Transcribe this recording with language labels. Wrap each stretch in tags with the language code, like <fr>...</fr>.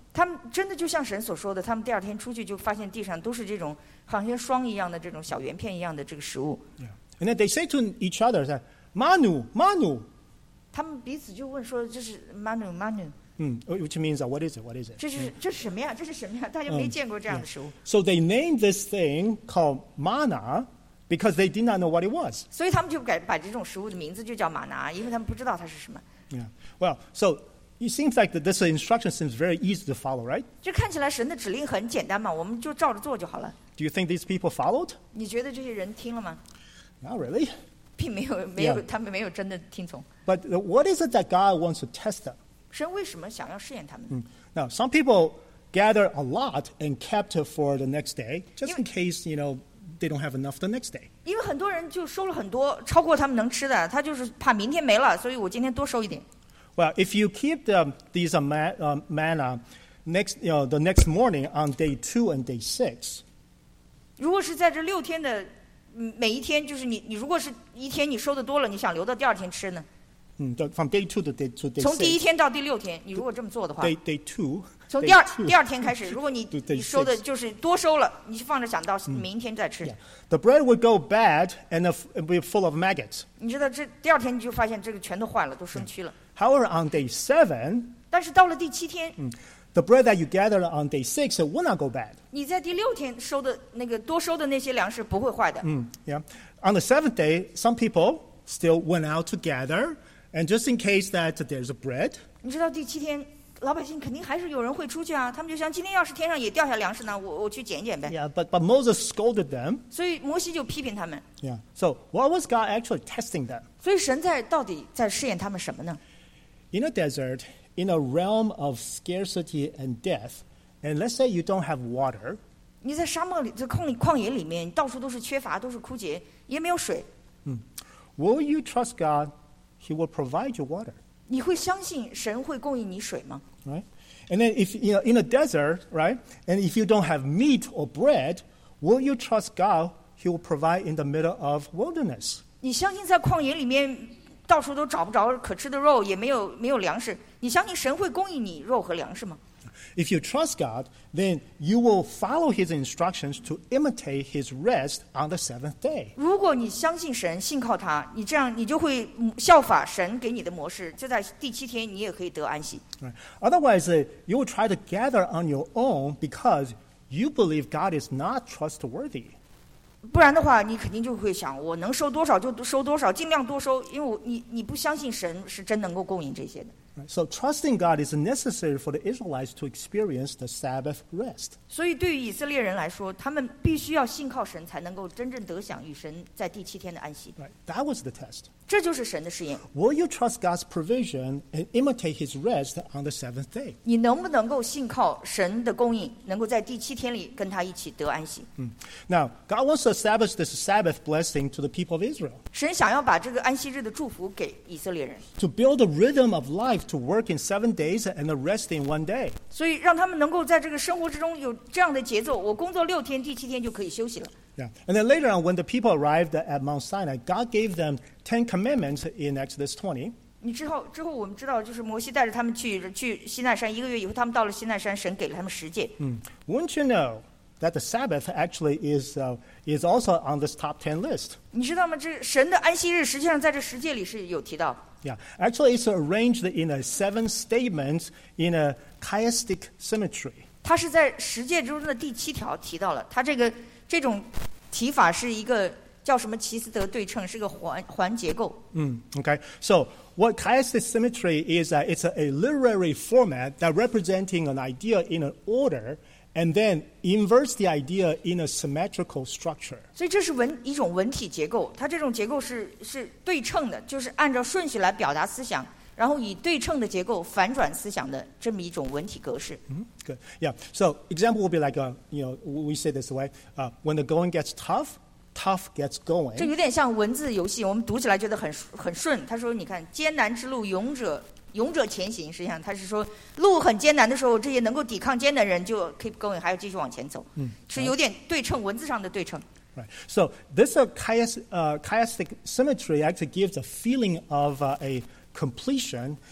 <zh>他们真的就像神所说的，他们第二天出去就发现地上都是这种好像霜一样的这种小圆片一样的这个食物。</zh> <en>Yeah. And then they say to each other, "That manu, manu."</en> <zh>他们彼此就问说，这是 manu, manu.</zh> <en>Which means what is it? What is it?</en> <zh>这是什么呀？这是什么呀？大家没见过这样的食物。</zh> <en>So they named this thing called manna because they did not know what it was.</en> <zh>所以他们就把这种食物的名字就叫玛拿，因为他们不知道它是什么。</zh> <en>Yeah. Well, so it seems like that this instruction seems very easy to follow, right?</en> <zh>就看起来神的指令很简单嘛，我们就照着做就好了。</zh> <en>Do you think these people followed?</en> <zh>你觉得这些人听了吗？</zh> <en>Not really.</en> <zh>并没有 yeah. 他们没有真的听从。</zh> <en>But what is it that God wants to test them?</en> <zh>神为什么想要试验他们？</zh> <en>Now, some people gather a lot and kept for the next day, just in case, you know,They don't have enough the next day.</en> <zh>因为很多人就收了很多，超过他们能吃的，他就是怕明天没了，所以我今天多收一点。</zh> <en>Well, if you keep these manna next, you know, the next morning on day two and day six.</en> <zh>如果是在这六天的每一天，就是你如果是一天你收的多了，你想留到第二天吃呢？</zh> <en>From day two to day six.</en> <zh>从第一天到第六天，你如果这么做的话。</zh> <en>Day two.</en> <zh>从第二天开始，如果你收的就是多收了，你就放着想到明天再吃。</zh> <en>Yeah. The bread would go bad and be full of maggots.</en> <zh>你知道这第二天你就发现这个全都坏了，都生蛆了。</zh> <en>Yeah. However, on day seven,</en> <zh>但是到了第七天</zh> <en>，the bread that you gathered on day six will not go bad.</en> <zh>你在第六天收的那个多收的那些粮食不会坏的。</zh> <en>Yeah. On the seventh day, some people still went out to gather, and just in case that there's a bread.</en> <zh>你知道第七天。老百姓肯定还是有人会出去啊！他们就想，今天要是天上也掉下粮食呢，我去捡捡呗。</zh> <en>Yeah, but Moses scolded them.</en> <zh>所以摩西就批评他们。</zh> <en>Yeah. So what was God actually testing them?</en> <zh>所以神到底在试验他们什么呢</zh> <en>？In a desert, in a realm of scarcity and death, and let's say you don't have water.</en> <zh>你在沙漠里，在旷野里面，到处都是缺乏，都是枯竭，也没有水。</zh> <en>Will you trust God? He will provide you water.</en> <zh>你会相信神会供应你水吗</zh> <en>？Right, and then if you know in a desert, right, and if you don't have meat or bread, will you trust God? He will provide in the middle of wilderness.</en> <zh>你相信在旷野里面到处都找不着可吃的肉，也没有粮食。你相信神会供应你肉和粮食吗</zh> <en>？If you trust God, then you will follow His instructions to imitate His rest on the seventh day.</en> <zh>如果你相信神，信靠他，你这样你就会效法神给你的模式，就在第七天你也可以得安息。</zh> <en>Otherwise, you will try to gather on your own because you believe God is not trustworthy.</en> <zh>不然的话，你肯定就会想，我能收多少就收多少，尽量多收，因为你不相信神是真能够供应这些的。</zh> <en>Right? So trusting God is necessary for the Israelites to experience the Sabbath rest.</en> <zh>所以对于以色列人来说，他们必须要信靠神，才能够真正得享与神在第七天的安息。</zh> <en>Right? That was the test.</en> <zh>这就是神的试验。</zh> <en>Will you trust God's provision and imitate His rest on the seventh day?</en> <zh>你能不能够信靠神的供应，能够在第七天里跟他一起得安息？</zh> <en>Now, God wants to establish this Sabbath blessing to the people of Israel.</en> <zh>神想要把这个安息日的祝福给以色列人。</zh> <en>To build a rhythm of life to work in 7 days and to rest in 1 day.</en> <zh>所以让他们能够在这个生活之中有这样的节奏，我工作六天，第七天就可以休息了。</zh> <en>Yeah. And then later on, when the people arrived at Mount Sinai, God gave them 10 commandments in Exodus 20.</en> <zh>你之后我们知道，就是摩西带着他们去西奈山，一个月以后，他们到了西奈山，神给了他们十诫。</zh> <en>Wouldn't you know that the Sabbath actually is also on this top 10 list?</en> <zh>你知道吗？这神的安息日实际上在这十诫里是有提到。</zh> <en>Yeah, actually, it's arranged in a 7 statements in a chiastic symmetry.</en> <zh>它是在十诫中的第七条提到了，它这个。这种提法是一个叫什么齐斯德对称，是个 环结构。</zh> <en>Okay. So what chiastic symmetry is that it's a literary format that representing an idea in an order and then inverts the idea in a symmetrical structure.</en> <zh>所以这是一种文体结构，它这种结构是对称的，就是按照顺序来表达思想，然后以对称的结构反转思想的这么一种文体格式。</zh> <en>Good. Yeah. So example will be like, we say this way, when the going gets tough, tough gets going.</en> <zh>这有点像文字游戏，我们读起来觉得很顺。他说，你看，艰难之路，勇者前行。实际上他是说，路很艰难的时候，这些能够抵抗艰难的人就</zh> <en>keep going，</en> <zh>还要继续往前走。是有点对称，文字上的对称。</zh> <en>Right. So this chiastic symmetry actually gives a feeling of a completion.</en>